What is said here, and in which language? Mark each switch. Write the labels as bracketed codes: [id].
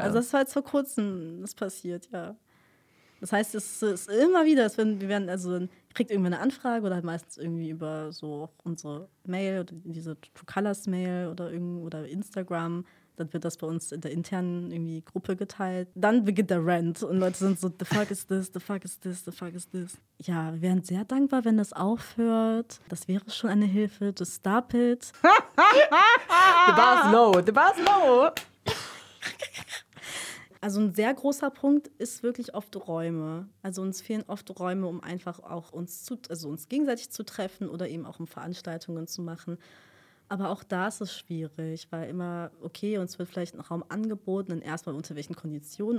[de] Also das war jetzt vor kurzem, das passiert, ja. Das heißt, es ist immer wieder, es werden, wir werden also kriegt irgendwie eine Anfrage oder halt meistens irgendwie über so unsere Mail oder diese True Colors Mail oder irgendwie oder Instagram. Dann wird das bei uns in der internen irgendwie Gruppe geteilt. Dann beginnt der Rant und Leute sind so, [en] the fuck is this, [de] the fuck is this, the fuck is this. Ja, wir wären sehr dankbar, wenn das aufhört. Das wäre schon eine Hilfe. [en] To stop it. The bar is low, the bar is low. [de] Also ein sehr großer Punkt ist wirklich oft Räume. Also uns fehlen oft Räume, um einfach auch uns gegenseitig zu treffen oder eben auch um Veranstaltungen zu machen. Aber auch da ist es schwierig, weil immer, okay, uns wird vielleicht ein Raum angeboten, dann erstmal unter welchen Konditionen.